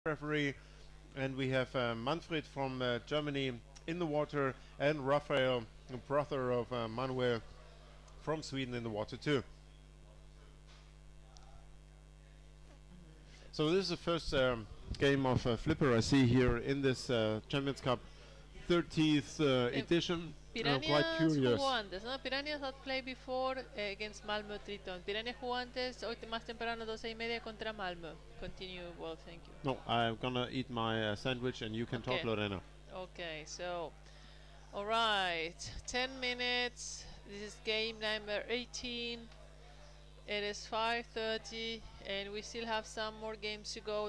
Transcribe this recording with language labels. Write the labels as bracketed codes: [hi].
[en] referee, and we have Manfred from Germany in the water, and Raphael, the brother of Manuel from Sweden, in the water too. So this is the first game of Flipper I see here in this Champions Cup 30th edition. Pirañas, I'm quite curious. Jugantes, no? Pirañas had played before against Malmö Triton. [es] Pirañas Jugantes, hoy más temprano, 12 y media contra Malmö. [en] Continue, well, thank you. No, I'm gonna eat my sandwich and you can talk, Lorena. Okay, so, all right, 10 minutes. This is game number 18. It is 5:30, and we still have some more games to go.